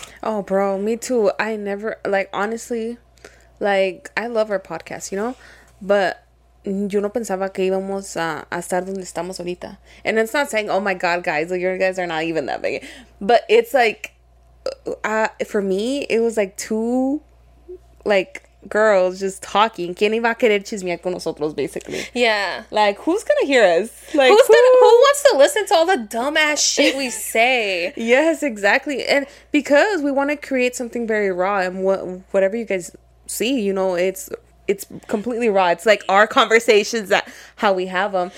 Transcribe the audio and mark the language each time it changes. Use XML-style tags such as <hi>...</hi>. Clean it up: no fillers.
<en>Oh bro, me too. I never, like honestly, like I love our podcast, you know, but</en> <es>yo no pensaba que íbamos a estar donde estamos ahorita.</es> <en>And it's not saying, oh my God, guys, like, you guys are not even that big. But it's like, for me, it was like two, like, girls just talking.</en> <es>¿Quién iba a querer chismear con nosotros, basically?</es> <en>Yeah. Like, who's gonna hear us? Like, who wants to listen to all the dumbass shit we say? Yes, exactly. And because we want to create something very raw, and whatever you guys see, you know, it's completely raw. It's like our conversations, that how we have them.</en>